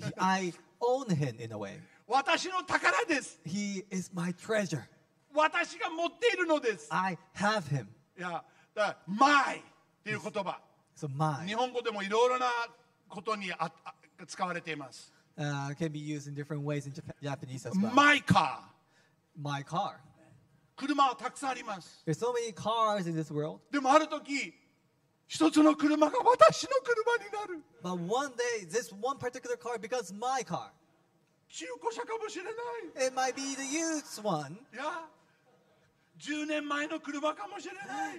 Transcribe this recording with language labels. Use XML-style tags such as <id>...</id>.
<en>I own him in a way.</en> <ja>私の宝です。</ja> <en>He is my treasure.</en> <ja>私が持っているのです。</ja> <en>I have him.</en> <ja>いや、だから my っていう言葉、</ja> <en>so、my.</en> <ja>日本語でもいろいろなことに使われています。</ja> <en>Can be used in different ways in Japanese as well. My car. My car.</en> <ja>車はたくさんあります。</ja> <en>There's so many cars in this world.</en> <ja>でもある時、一つの車が私の車になる。</ja> <en>But one day, this one particular car becomes my car.</en> <ja>中古車かもしれない。</ja> <en>It might be the used one. Yeah.</en> <ja>10年前の車かもしれない。</ja>